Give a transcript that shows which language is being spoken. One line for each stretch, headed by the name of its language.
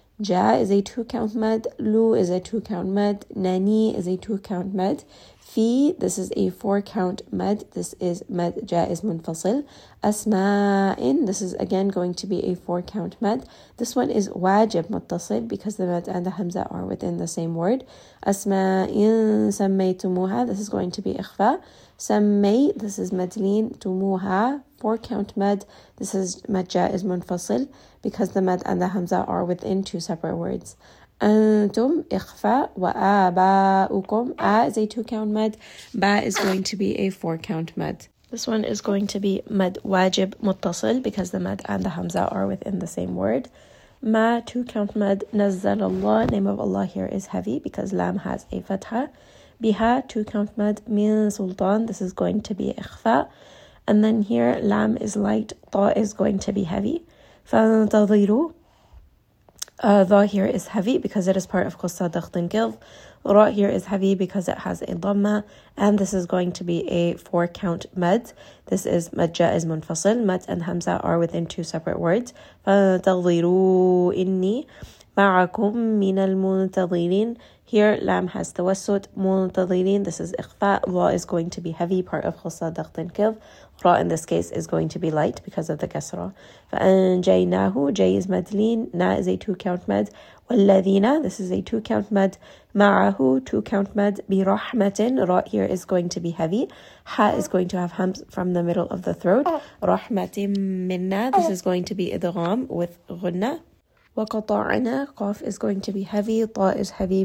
English: جا is a two count مد. لو is a two count مد. نني is a two count مد. في this is a four count مد. This is مد. جا is منفصل. أسماء in this is again going to be a four count مد. This one is واجب متصل because the مد and the همزة are within the same word.
Arabic: أسماء in سميتموها.
English: This is going to be إخفاء. سمي this is مدلين. تموها four count مد. This is مد جا is منفصل because the مد and the همزة are within two separate words.
Arabic: أنتم إخفاء وآباؤكم آ is a two count مد.
English: باء is going to be a four count مد. This one is going to be مد واجب متصل because the مد and the همزة are within the same word.
Arabic: ما two count مد نزل الله.
English: Name of Allah here is heavy because لام has a فتحة.
Arabic: بها two count مد من سلطان.
English: This is going to be إخفاء. And then here لام is light. طاء is going to be heavy.
Arabic: فانتظروا.
English: The here is heavy because it is part of قصة ضغط قلب. را here is heavy because it has a ضمة. And this is going to be a four count مد. This is مد جاء is منفصل. مد and همزة are within two separate words.
Arabic: فانتظروا إني معكم من المنتظرين.
English: Here لام has توسط. منتظرين this is إخفاء. را is going to be heavy part of قصة ضغط قلب. را in this case is going to be light because of the كسرة.
Arabic: فأنجيناه جاء is مدلين.
English: نا is a two count مد. والذين this is a two count مد. معه two count مد. برحمة را here is going to be heavy. ح is going to have humps from the middle of the throat. رحمة منا this is going to be إدغام with غنة. وقطعنا قاف is going to be heavy. طاء is heavy.